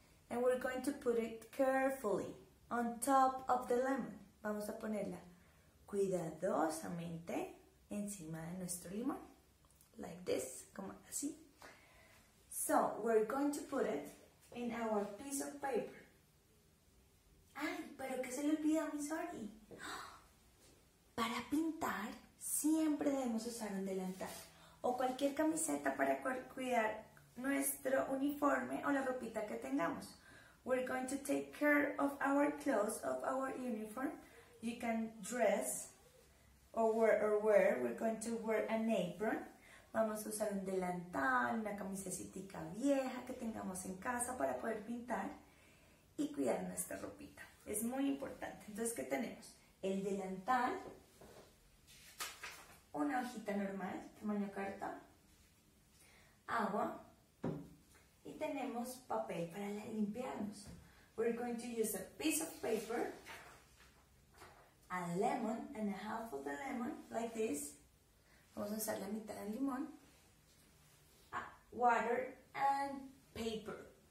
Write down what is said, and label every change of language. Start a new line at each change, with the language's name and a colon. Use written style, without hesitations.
English: And we're going to put it carefully on top of the lemon.
Spanish: Vamos a ponerla cuidadosamente encima de nuestro limón.
English: Like this,
Spanish: como así.
English: So, we're going to put it in our piece of paper.
Spanish: Ay, pero que se le olvidó, mi sorry. Para pintar, siempre debemos usar un delantal. O cualquier camiseta para cuidar nuestro uniforme o la ropita que tengamos.
English: We're going to take care of our clothes, of our uniform. You can dress or wear. We're going to wear an apron.
Spanish: Vamos a usar un delantal, una camisetita vieja que tengamos en casa para poder pintar y cuidar nuestra ropita. Es muy importante. Entonces, ¿qué tenemos? El delantal. Una hojita normal, tamaño carta, agua, y tenemos papel para limpiarnos.
English: We're going to use a piece of paper, a lemon, and a half of the lemon, like this.
Spanish: Vamos a usar la mitad del limón,
English: water, and paper.